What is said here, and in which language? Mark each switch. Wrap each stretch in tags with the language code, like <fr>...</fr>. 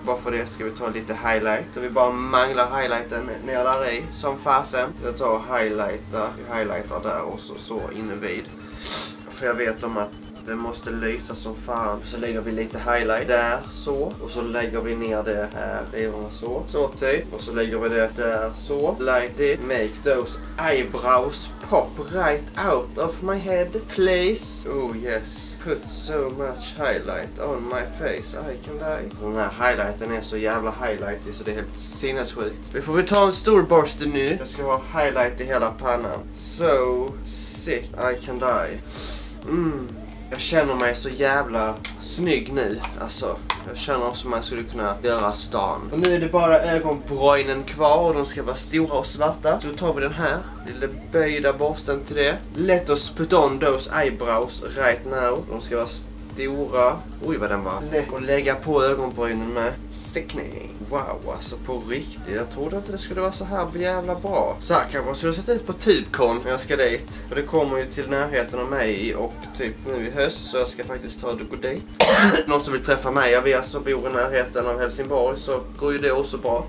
<sv>Bara för det ska vi ta lite highlight. Vi bara manglar highlighten ner där i, som fasen. Jag tar och highlightar, vi highlightar där och så invid. För jag vet om att det måste lysa som fan. Så lägger vi lite highlight där, så. Och så lägger vi ner det här, så typ. Och så lägger vi det där, så.</sv> <en>Light it, make those eyebrows pop right out of my head, please. Oh yes, put so much highlight on my face, I can die.</en> <sv>Den här highlighten är så jävla highlighty så det är helt sinnessjukt. Vi får ta en stor borste nu. Jag ska ha highlight i hela pannan.</sv> <en>So sick, I can die. Mm.</en> <sv>Jag känner mig så jävla snygg nu, alltså. Jag känner som jag skulle kunna göra stan. Och nu är det bara ögonbrynen kvar och de ska vara stora och svarta. Så tar vi den här, lilla böjda borsten till det.</sv> <en>Let us put on those eyebrows right now.</en> <sv>De ska vara stora. Oj vad den var. Och lägga på ögonbrynen med sickening. Wow, alltså på riktigt. Jag trodde inte det skulle vara så här jävla bra. Så här kanske jag skulle sätta ut på TubeCon när jag ska dit. För det kommer ju till närheten av mig och typ nu i höst. Så jag ska faktiskt ta och gå dit. Någon som vill träffa mig av er som bor i närheten av Helsingborg så går ju det också bra.</sv>